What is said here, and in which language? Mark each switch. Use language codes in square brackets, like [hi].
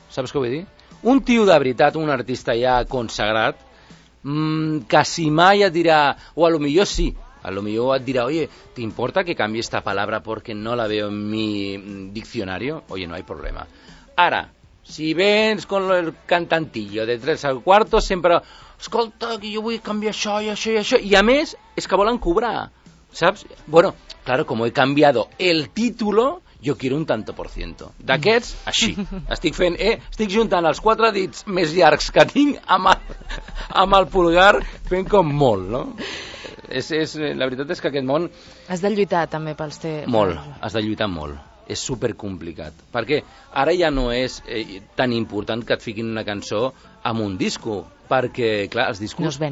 [ca] Saps què vull dir? Un tio de veritat, un artista ja consagrat, quasi mai et dirà, o potser sí, potser et dirà, oye, t'importa que canvi esta palabra perquè [es] no la veo en mi [ca] diccionari? [es] Oye, no hay problema. [ca] Ara, si vens [es] con el cantantillo [ca] de 3/4, sempre, escolta, que jo vull canviar això i això i això, i a més, és que volen cobrar. Saps? [es] Bueno, claro, como he cambiado el título, yo quiero un tanto por ciento. [ca] D'aquests, així. Estic juntant els quatre dits més llargs que tinc amb el pulgar, fent com molt, no? És, la veritat és que aquest món... Has de lluitar també pels teus... Molt, has de lluitar molt. És supercomplicat. Perquè ara ja no és tan important que et fiquin una cançó en un disco, perquè, clar, els discos...